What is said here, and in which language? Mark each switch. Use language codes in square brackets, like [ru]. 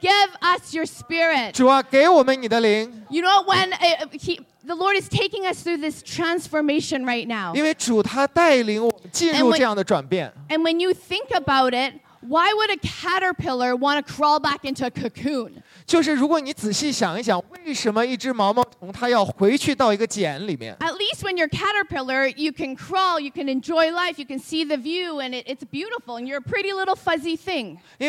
[en] give us your spirit. [zh] 主啊, [en] you know when the Lord is taking us through this transformation right now. And when you think about it, why would a caterpillar want to crawl back into a cocoon? [zh] 就是如果你仔细想一想，为什么一只毛毛虫它要回去到一个茧里面？ [en] At least when you're a caterpillar, you can crawl, you can enjoy life, you can see the view, and it's beautiful, and you're a pretty little fuzzy thing.